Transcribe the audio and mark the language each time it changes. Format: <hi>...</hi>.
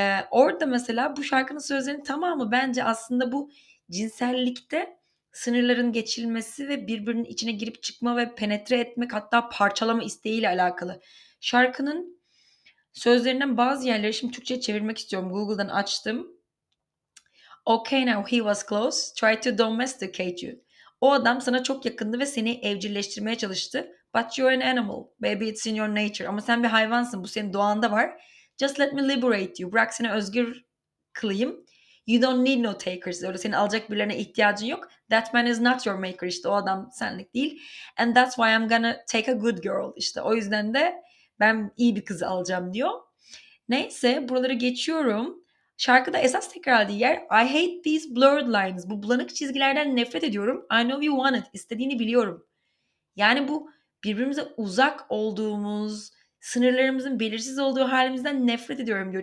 <tr>Orada mesela bu şarkının sözlerinin tamamı bence aslında bu cinsellikte sınırların geçilmesi ve birbirinin içine girip çıkma ve penetre etmek, hatta parçalama isteğiyle alakalı. Şarkının sözlerinden bazı yerleri şimdi Türkçe'ye çevirmek istiyorum. Google'dan açtım.</tr> <en>Okay now he was close, tried to domesticate you.</en> <tr>O adam sana çok yakındı ve seni evcilleştirmeye çalıştı.</tr> <en>But you're an animal, baby it's in your nature.</en> <tr>Ama sen bir hayvansın, bu senin doğanda var.</tr> <en>Just let me liberate you,</en> <tr>bırak seni özgür kılayım.</tr> <en>You don't need no takers.</en> <tr>Öyle seni alacak birilerine ihtiyacın yok.</tr> <en>That man is not your maker.</en> <tr>İşte o adam senlik değil.</tr> <en>And that's why I'm gonna take a good girl.</en> <tr>İşte o yüzden de ben iyi bir kızı alacağım diyor. Neyse, buraları geçiyorum. Şarkıda esas tekrarladığı yer</tr> <en>I hate these blurred lines.</en> <tr>Bu bulanık çizgilerden nefret ediyorum.</tr> <en>I know you want it.</en> <tr>İstediğini biliyorum. Yani bu birbirimize uzak olduğumuz, sınırlarımızın belirsiz olduğu halimizden nefret ediyorum diyor.</tr>